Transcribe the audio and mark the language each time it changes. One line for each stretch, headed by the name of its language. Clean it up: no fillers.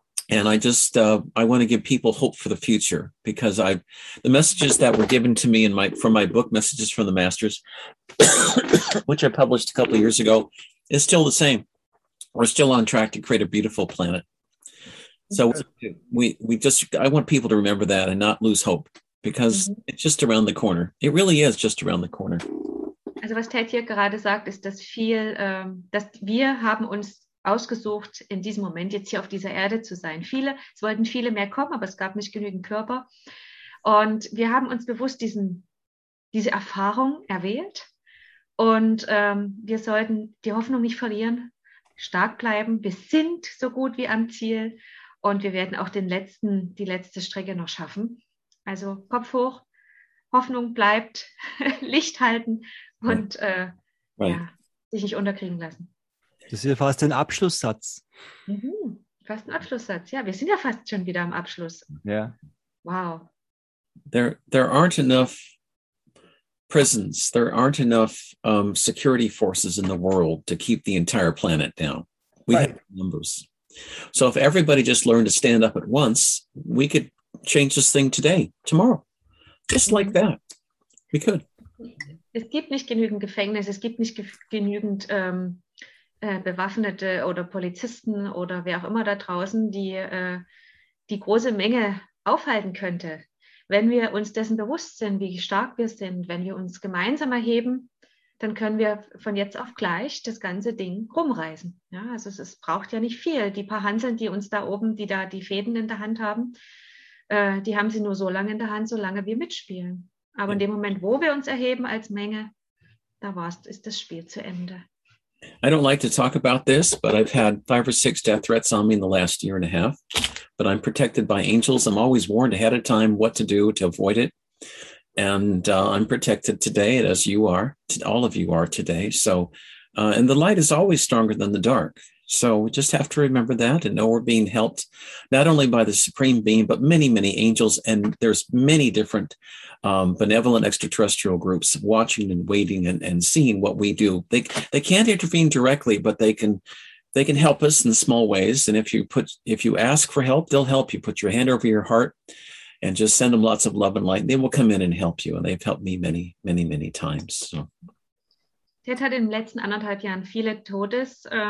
English: And I just, I want to give people hope for the future, because I, the messages that were given to me in my, from my book, Messages from the Masters, which I published a couple of years ago, is still the same. We're still on track to create a beautiful planet. So I want people to remember that and not lose hope, because it's just around the corner. It really is just around the corner.
German: Also was Ted hier gerade sagt, ist, dass viel, dass wir haben uns ausgesucht, in diesem Moment jetzt hier auf dieser Erde zu sein. Viele, es wollten viele mehr kommen, aber es gab nicht genügend Körper. Und wir haben uns bewusst diese Erfahrung erwählt. Und wir sollten die Hoffnung nicht verlieren, stark bleiben. Wir sind so gut wie am Ziel und wir werden auch die letzte Strecke noch schaffen. Also Kopf hoch, Hoffnung bleibt, Licht halten und sich nicht unterkriegen lassen. Das ist ja fast ein Abschlusssatz. Mhm, fast ein Abschlusssatz. Ja, wir sind ja fast schon wieder am Abschluss. Ja.
English: Yeah. Wow. There aren't enough prisons. There aren't enough security forces in the world to keep the entire planet down. We have numbers. So if everybody just learned to stand up at once, we could change this thing today, tomorrow. Just like that. We could.
German: Es gibt nicht genügend Gefängnisse. Es gibt nicht genügend Bewaffnete oder Polizisten oder wer auch immer da draußen, die die große Menge aufhalten könnte. Wenn wir uns dessen bewusst sind, wie stark wir sind, wenn wir uns gemeinsam erheben, dann können wir von jetzt auf gleich das ganze Ding rumreißen. Ja, also es braucht ja nicht viel. Die paar Hanseln, die uns da oben, die da die Fäden in der Hand haben, die haben sie nur so lange in der Hand, solange wir mitspielen. Aber in dem Moment, wo wir uns erheben als Menge, da war's, ist das Spiel zu Ende.
English: I don't like to talk about this, but I've had 5 or 6 death threats on me in the last year and a half, but I'm protected by angels. I'm always warned ahead of time what to do to avoid it. And I'm protected today, as you are, all of you are today. So, and the light is always stronger than the dark. So we just have to remember that and know we're being helped not only by the Supreme Being, but many, many angels. And there's many different benevolent extraterrestrial groups watching and waiting and seeing what we do. They can't intervene directly, but they can help us in small ways. And if you ask for help, they'll help you. Put your hand over your heart and just send them lots of love and light. And they will come in and help you. And they've helped me many, many, many times. So.
German: Ted hat in den letzten anderthalb Jahren viele Todes.